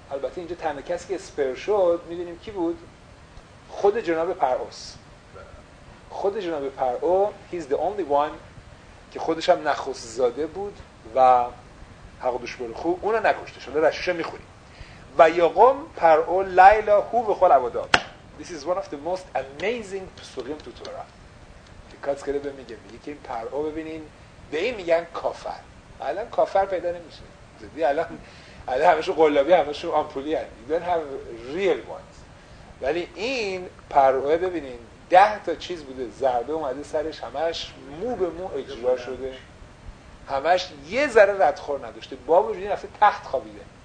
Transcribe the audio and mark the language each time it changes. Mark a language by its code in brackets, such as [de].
[fa] البته اینجا تنها کسی که اسپر شد میدونیم کی بود؟ خود جناب پرعوس، خود جناب پرعو. [en] He's the only one [fa] که خودش هم نخوزاده بود و حق دوش بره خوب اونو نکشته شده. رشوشه میخونیم و یقوم پرعو لیلا هو بخول عباداد. [en] This is one of the most amazing [fa] پسوقیم تو تورا. کاتس کرده به میگه، میگه که این پرعو ببینین به این میگن کافر. الان کافر پیدا نمیشه زدی، الان همشون قلابی، همشون آمپولی هست. [en] You don't have real ones. [fa] ولی این پرعو ببینین 10 تا چیز بوده، ضربه اومده سرش، همش مو به مو اجرا شده، همش یه ذره ردخور نداشته، با وجود این رفته تخت خوابیده.